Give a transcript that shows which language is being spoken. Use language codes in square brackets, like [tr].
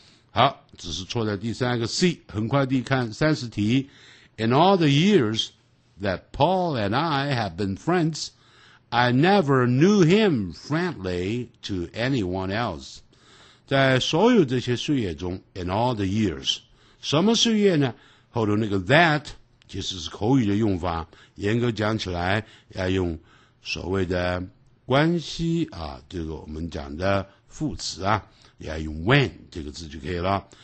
[zh] 好，只是错在第三个 C， 很快地看三十题。 [en] In all the years that Paul and I have been friends, I never knew him friendly to anyone else. [zh] 在所有这些岁月中 , [en] in all the years, [zh] 什么岁月呢？后头那个 that, 其实是口语的用法，严格讲起来要用所谓的关系啊，这个我们讲的副词啊，要用 when, 这个字就可以了。